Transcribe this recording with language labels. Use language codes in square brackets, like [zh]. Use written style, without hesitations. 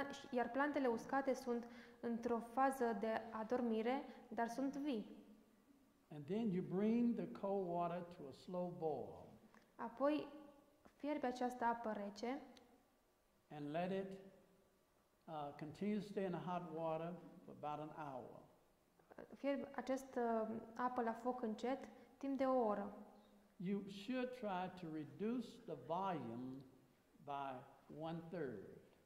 [ro] Iar plantele uscate sunt într-o fază de adormire, dar sunt vii. [en] And then you bring the cold water to a slow boil. [ro] Apoi fierbe această apă rece. [en] And let it continue to stay in the hot water for about an hour. [ro] Fierbe această apă la foc încet timp de o oră. [en] You should try to reduce the volume by one third.